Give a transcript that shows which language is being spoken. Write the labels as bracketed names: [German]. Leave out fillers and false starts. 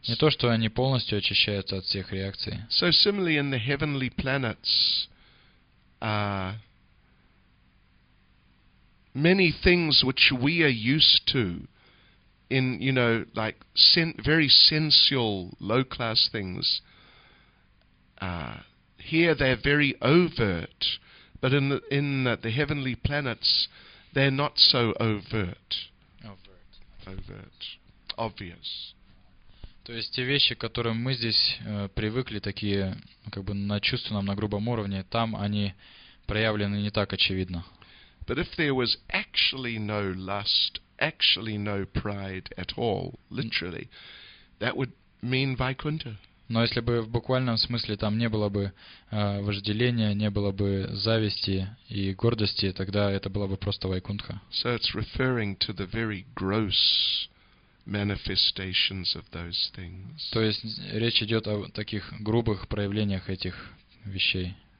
[Russian] Не то, что они полностью очищаются от всех реакций. [English] So similarly in the heavenly planets, many things which we are used to in, you know, like very sensual, low-class things, here they're very overt, but in the heavenly planets, they're not so overt. Overt, obvious. [Russian] То есть те вещи, к которым мы здесь привыкли, такие как бы на чувственном, на грубом уровне, там они проявлены не так очевидно. [English] But if there was actually no lust, actually no pride at all, literally, that would mean Vaikuntha. [Russian] Но если бы в буквальном смысле там не было бы вожделения, не было бы зависти и гордости, тогда это было бы просто Вайкунтха. [English] So it's referring to the very gross manifestations of those things. [Russian] То есть речь идет о таких грубых проявлениях этих вещей.